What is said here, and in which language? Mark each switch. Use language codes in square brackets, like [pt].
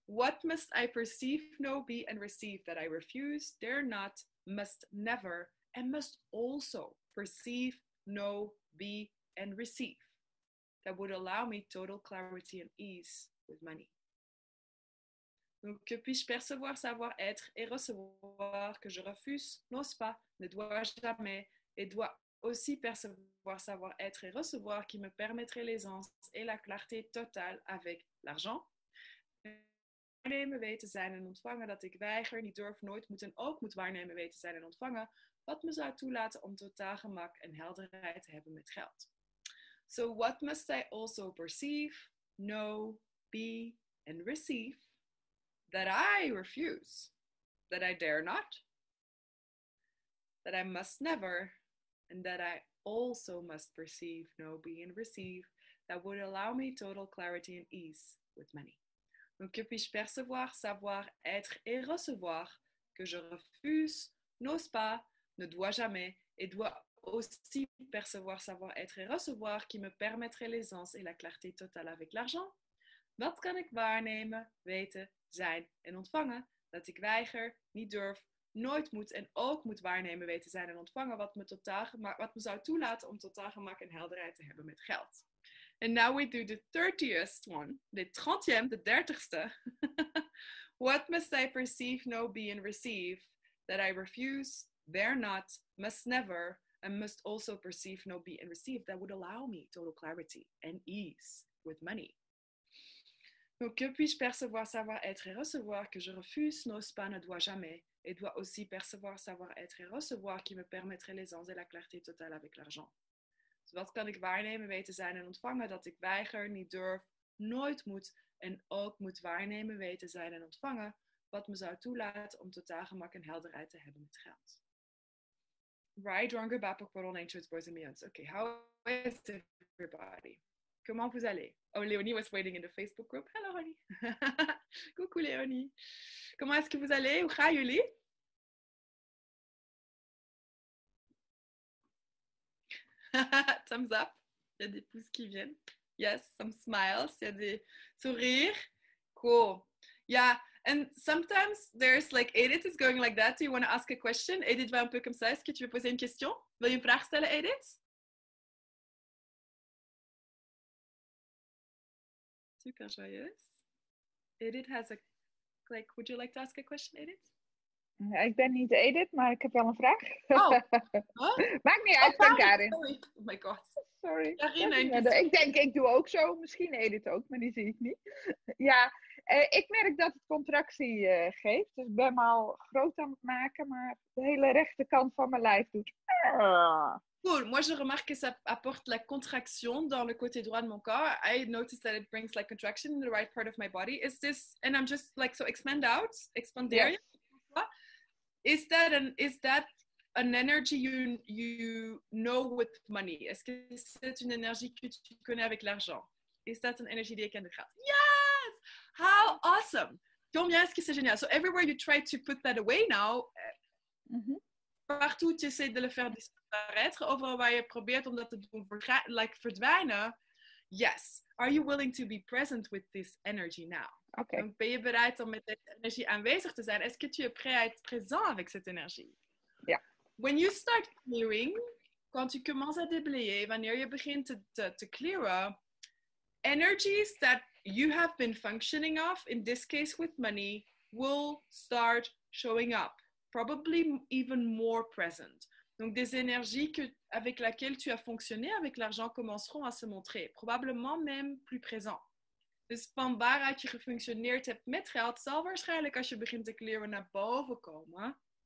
[en] What must I perceive, know, be and receive that I refuse, dare not, must never, and must also perceive, know, be, and receive. That would allow me total clarity and ease with money. [fr] Donc, que puis-je percevoir, savoir, être et recevoir que je refuse, n'ose pas, ne dois jamais, et dois aussi percevoir, savoir, être et recevoir qui me permettrait l'aisance et la clarté totale avec l'argent. [nl] Waarnemen, weten, zijn en ontvangen dat ik weiger, niet durf, nooit moet en ook moet waarnemen, weten, zijn en ontvangen, wat me zou toelaten om totaal gemak en helderheid te hebben met geld. [en] So what must I also perceive, know, be and receive that I refuse, that I dare not, that I must never and that I also must perceive, know, be and receive that would allow me total clarity and ease with money. [fr] Donc, que puis-je percevoir, savoir, être et recevoir que je refuse, n'ose pas, ne dois jamais et dois aussi percevoir, savoir, être et recevoir qui me permettrait l'aisance et la clarté totale avec l'argent? [nl] Wat kan ik waarnemen, weten, zijn en ontvangen dat ik weiger, niet durf, nooit moet en ook moet waarnemen, weten, zijn en ontvangen wat me, wat me zou toelaten om totaal gemak en helderheid te hebben met geld? [en] And now we do the 30th one, the 30th, the 30th. What must I perceive, know, be, and receive that I refuse, dare not, must never, and must also perceive, know, be, and receive that would allow me total clarity and ease with money? [fr] Donc, que puis-je percevoir, savoir, être et recevoir que je refuse, n'ose pas, ne dois jamais, et dois aussi percevoir, savoir, être et recevoir qui me permettrait l'aisance et la clarté totale avec l'argent? [nl] Wat kan ik waarnemen, weten, zijn en ontvangen dat ik weiger, niet durf, nooit moet en ook moet waarnemen, weten, zijn en ontvangen wat me zou toelaten om totaal gemak en helderheid te hebben met geld? [en] Right, wrong, or back, but all nature's boys and beyonds. Okay, how is everybody? [fr] Comment vous allez? [en] Oh, Léonie was waiting in the Facebook group. Hello, honey. [fr] Coucou, Léonie. Comment est-ce que vous allez? [nl] Hoe gaan jullie? [en] Thumbs up, [fr] il y a des pouces qui viennent. [en] Yes, some smiles, [fr] il y a des sourires. Cool. [en] Yeah, and sometimes there's like, Edith is going like that. Do you want to ask a question? [fr] Edith va un peu comme ça. Est-ce que tu veux poser une question? [nl] Wil je une vraag stellen, Edith? [fr] Super joyeuse. [en] Edith has a, like, would you like to ask a question, Edith? [nl] Ik ben niet Edith, maar ik heb wel een vraag. Oh. Maakt niet uit, ben Karin. [en] Sorry. Oh my god. Sorry. Karin, [nl] ik doe ook zo. Misschien Edith ook, maar die zie ik niet. Ja, ik merk dat het contractie geeft. Dus ik ben me al groot aan het maken, maar de hele rechterkant van mijn lijf doet... [en] Cool. [fr] Moi, je remarque que ça apporte la contraction dans le côté droit de mon corps. [en] I noticed that it brings like contraction in the right part of my body. Is this... And I'm just like, so expand out, expand there. Yes. Is that an energy you know with money? [fr] Est-ce que c'est une énergie que tu connais avec l'argent? [en] Is that an energy [nl] die je ken de geld? [en] Yes! How awesome! [fr] Combien est-ce que c'est génial? [en] So everywhere you try to put that away now, [fr] partout tu essaies de le faire disparaître, [nl] overal waar je probeert om dat te doen verdwijnen, [en] yes. Are you willing to be present with this energy now? Okay. [nl] Ben je bereid om met deze energie aanwezig te zijn? [fr] Est-ce que tu es prêt à être présent avec cette énergie? Ja. Yeah. [en] When you start clearing, [fr] quand tu commences à déblayer, [nl] wanneer je begint te clearen, [en] energies that you have been functioning off, in this case with money, will start showing up. Probably even more present. [fr] Donc des énergies avec laquelle tu as fonctionné avec l'argent commenceront à se montrer. Probablement même plus présent. [nl] Dus van waaruit je gefunctioneerd hebt met geld, zal waarschijnlijk als je begint te clearen naar boven komen.